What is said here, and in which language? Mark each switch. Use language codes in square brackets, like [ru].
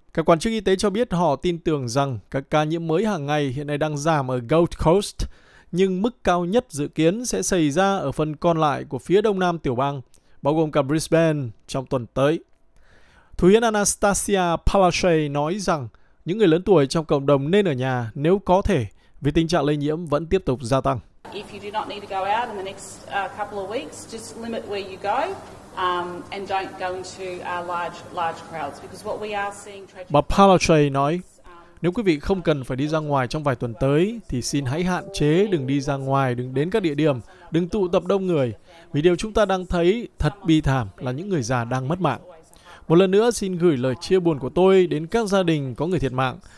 [vi] Các quan chức y tế cho biết họ tin tưởng rằng các ca nhiễm mới hàng ngày hiện nay đang giảm ở Gold Coast, nhưng mức cao nhất dự kiến sẽ xảy ra ở phần còn lại của phía đông nam tiểu bang, bao gồm cả Brisbane, trong tuần tới. Thủ hiến Anastasia Palaszczuk nói rằng những người lớn tuổi trong cộng đồng nên ở nhà nếu có thể vì tình trạng lây nhiễm vẫn tiếp tục gia tăng. [en] If you do not need to go out in the next couple of weeks, just limit where you go and don't go into large crowds, because what we are seeing. [vi] Bà Palaszczuk nói, nếu quý vị không cần phải đi ra ngoài trong vài tuần tới, thì xin hãy hạn chế, đừng đi ra ngoài, đừng đến các địa điểm, đừng tụ tập đông người, vì điều chúng ta đang thấy thật bi thảm là những người già đang mất mạng. Một lần nữa xin gửi lời chia buồn của tôi đến các gia đình có người thiệt mạng.